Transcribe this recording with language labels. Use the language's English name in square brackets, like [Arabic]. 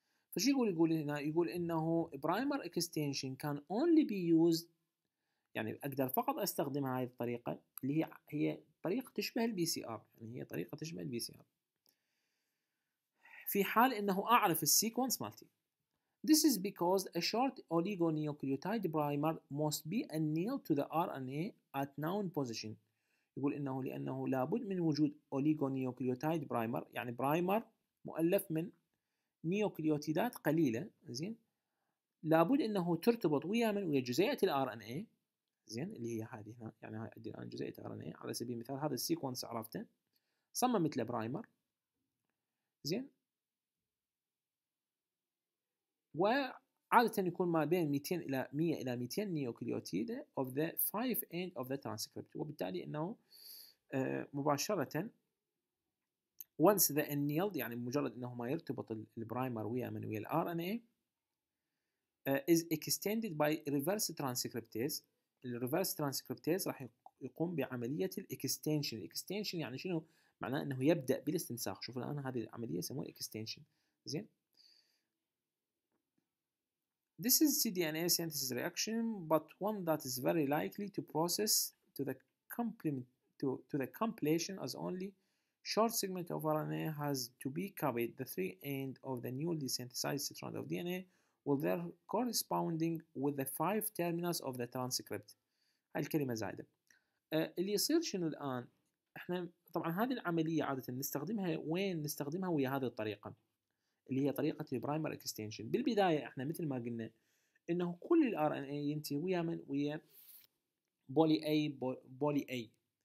[Arabic] فشو يقول هنا؟ يقول انه برايمر اكستنشن كان اونلي بي يوزد، يعني اقدر فقط استخدم هذه الطريقه اللي هي طريقه تشبه البي سي ار، يعني هي طريقه تشبه البي سي ار، في حال انه اعرف السيكونس مالتي. [English] This is because a short oligonucleotide primer must be annealed to the RNA at known position. [Arabic] يقول انه لانه لابد من وجود oligonucleotide primer، يعني برايمر مؤلف من نيوكليوتيدات قليله. زين، لابد انه ترتبط ويا من؟ ويا جزيئه الار ان اي. زين، اللي هي هذه هنا، يعني هاي عندي الان جزيئه ار ان اي على سبيل المثال، هذا السيكونس عرفته، صممت له برايمر. زين، وعاده يكون ما بين 200 الى 100 الى 200 نيوكليوتيد اوف ذا 5 اند اوف ذا ترانسكريبت، وبالتالي انه مباشره [English] once the annealed، [Arabic] يعني مجرد انه ما يرتبط البرايمر ويا من؟ ويا الار ان اي، [English] is extended by reverse transcriptase. [Arabic] الريفرس ترانسكريبتيز راح يقوم بعمليه الاكستنشن. الاكستنشن يعني شنو؟ معناه انه يبدا بالاستنساخ. شوفوا الان هذه العمليه يسموها اكستنشن. زين، [English] This is cDNA synthesis reaction but one that is very likely to process to the completion as only short segment of RNA has to be copied. The three end of the newly synthesized strand of DNA will there corresponding with the five terminals of the transcript. [Arabic] هاي الكلمة زايدة. اللي يصير شنو الآن؟ احنا طبعا هذه العملية عادة نستخدمها وين؟ نستخدمها ويا هذه الطريقة اللي هي طريقة البرايمر اكستنشن. بالبداية احنا مثل ما قلنا انه كل الـ RNA ينتهي ويا من؟ ويا بولي A بولي A.